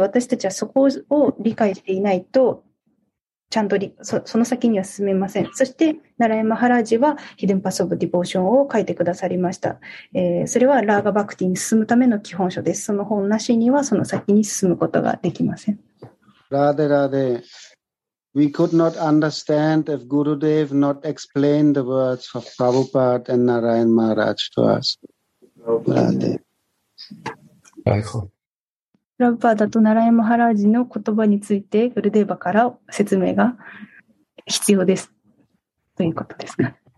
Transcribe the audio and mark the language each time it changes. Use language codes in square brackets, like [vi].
[ja] 私たちはそこを理解していないとちゃんと その先には進めません。そしてナラヤン・マハラジはヒデンパス・オブ・ディボーションを書いてくださりました、それはラーガ・バクティに進むための基本書です。その本なしにはその先に進むことができません。 [en] ラーデラーデ We could not understand if Gurudev not explained the words of Prabhupada and Narayan Maharaj to us. [ja] プラヴパーダとナラヤン・マハラージの言葉についてグルデーバから説明が必要ですということですか。